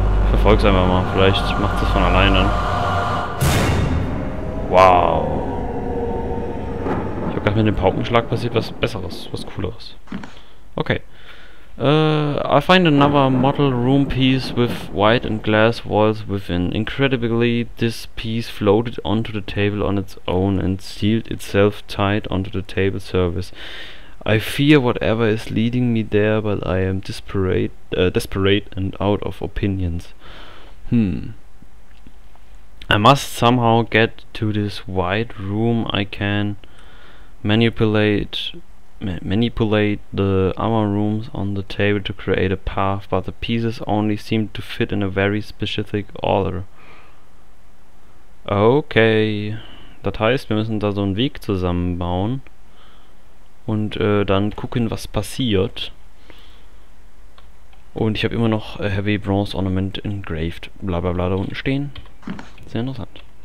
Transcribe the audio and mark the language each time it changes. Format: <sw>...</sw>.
<de>Verfolg's einfach mal, vielleicht macht's es von allein dann. Wow. Ich hab grad mit dem Paukenschlag passiert was Besseres, was Cooleres. Okay.</de> <en>I find another model room piece with white and glass walls within. Incredibly, this piece floated onto the table on its own and sealed itself tight onto the table surface. I fear whatever is leading me there, but I am desperate and out of opinions. I must somehow get to this white room. I can manipulate the other rooms on the table to create a path, but the pieces only seem to fit in a very specific order.</en> <de>Okay, das heißt, wir müssen da so einen Weg zusammenbauen und dann gucken, was passiert. Und ich habe immer noch Heavy Bronze Ornament engraved, bla bla bla, da unten stehen. Sehr interessant.</de>